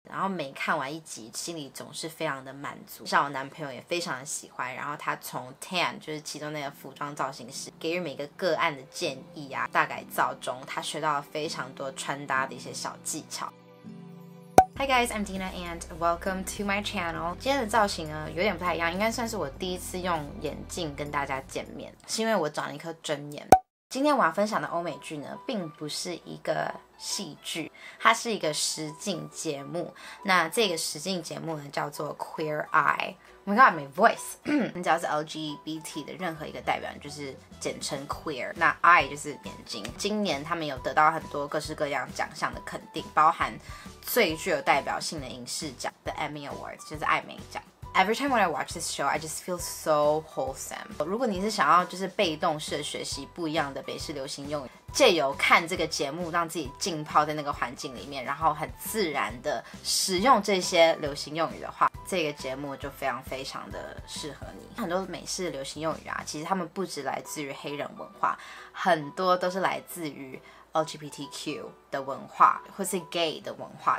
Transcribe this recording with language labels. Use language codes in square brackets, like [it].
[zh] 然后每看完一集心里总是非常的满足，像我男朋友也非常的喜欢，然后他从 Tan 就是其中那个服装造型师给予每个个案的建议啊，大改造中他学到了非常多穿搭的一些小技巧。 [en] Hi guys, I'm Dina and welcome to my channel. [zh] 今天的造型呢有点不太一样，应该算是我第一次用眼镜跟大家见面，是因为我长了一颗真眼。今天我要分享的欧美剧呢并不是一个戏剧，它是一个实境节目。那这个实境节目呢叫做 Queer Eye。 [en] Oh my god, my voice! [zh] 你只要是 LGBT 的任何一个代表就是简称 Queer， 那 Eye 就是眼睛。今年他们有得到很多各式各样奖项的肯定，包含最具有代表性的影视奖 The Emmy Awards， 就是艾美奖。 [en] Every time when I watch this show, I just feel so wholesome. [zh] 如果你是想要就是被动式的学习不一样的北式流行用语，借由看这个节目让自己浸泡在那个环境里面，然后很自然的使用这些流行用语的话，这个节目就非常非常的适合你。很多美式流行用语啊，其实他们不只来自于黑人文化，很多都是来自于LGBTQ 的文化或是 gay 的文化。